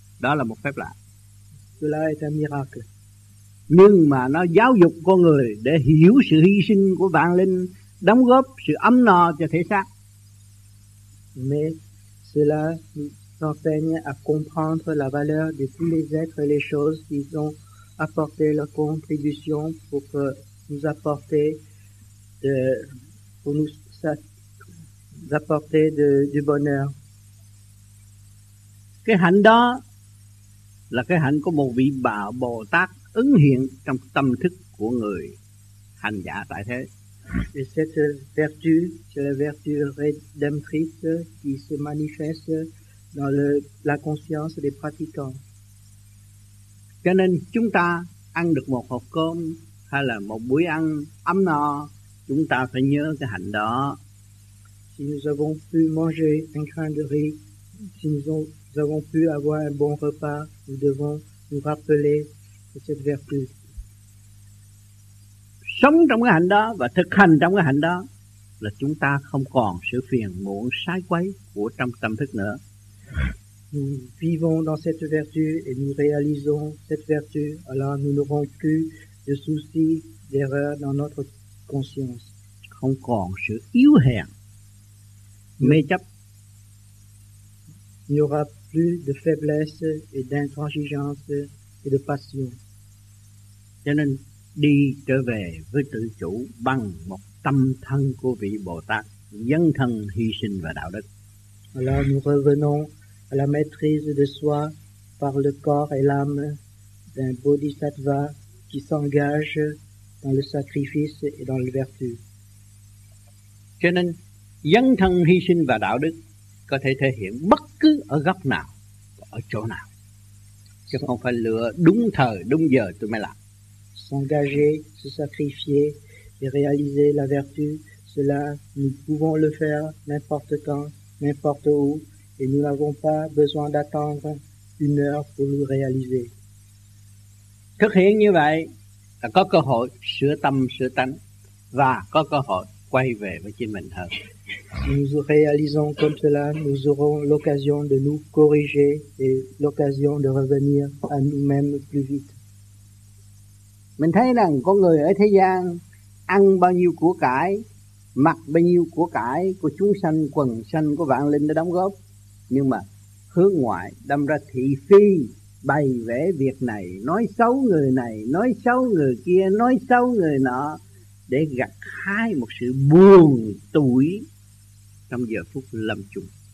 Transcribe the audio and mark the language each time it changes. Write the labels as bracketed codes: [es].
[vi] Đó là một phép lạ. [fr] Cela est un miracle. [vi] Nhưng mà nó giáo dục con người để hiểu sự hy sinh của vạn linh, đóng góp sự ấm no cho thể xác. [fr] Mais cela nous enseigne à comprendre la valeur de tous les êtres et les choses qui ont apporté leur contribution pour nous apporter de, pour nous apporter de, du bonheur. [vi] Cái hạnh đó là cái hạnh của một vị Bồ Tát ứng hiện trong tâm thức của người hành giả tại thế. [fr] Et cette vertu, c'est la vertu rédemptrice qui se manifeste dans le, la conscience des pratiquants. [vi] Cho nên chúng ta ăn được một hộp cơm hay là một buổi ăn ấm no, chúng ta phải nhớ cái hạnh đó. [fr] Si nous avons pu manger un grain de riz, si nous avons pu avoir un bon repas, nous devons nous rappeler de cette vertu. [vi] Sống trong cái hạnh đó và thực hành trong cái hạnh đó là chúng ta không còn sự phiền muộn sai quấy của trong tâm thức nữa. [fr] Nous vivons dans cette vertu et nous réalisons cette vertu, alors nous n'aurons plus de soucis, d'erreurs dans notre conscience. [vi] Không còn sự yếu hèn, mê chấp. [fr] Il n'y aura plus de faiblesse et d'intransigeance et de passion. [vi] Cho nên đi trở về với tự chủ bằng một tâm thân của vị Bồ Tát, dấn thân hy sinh và đạo đức. [fr] Alors nous revenons à la maîtrise de soi par le corps et l'âme d'un bodhisattva qui s'engage dans le sacrifice et dans la vertu. [vi] Cho nên, dấn thân hy sinh và đạo đức có thể thể hiện bất cứ ở góc nào, ở chỗ nào. Chứ không phải lựa đúng thời, đúng giờ tôi mới làm. [fr] S'engager, se sacrifier et réaliser la vertu, cela nous pouvons le faire n'importe quand, n'importe où. Et nous n'avons pas besoin d'attendre une heure pour le réaliser. [vi] Thực hiện như vậy là có cơ hội sửa tâm sửa tánh và có cơ hội quay về với chính mình hơn. [fr] Si nous réalisons comme cela, nous aurons l'occasion de nous corriger et l'occasion de revenir à nous-mêmes plus vite. [vi] Mình thấy rằng con người ở thế gian ăn bao nhiêu của cải, mặc bao nhiêu của chúng sanh, quần sanh, của vạn linh đã đóng góp. Nhưng mà hướng ngoại đâm ra thị phi, bày vẽ việc này, nói xấu người kia, nói xấu người nọ, để gặt hái một sự buồn tủi trong giờ phút lâm chung.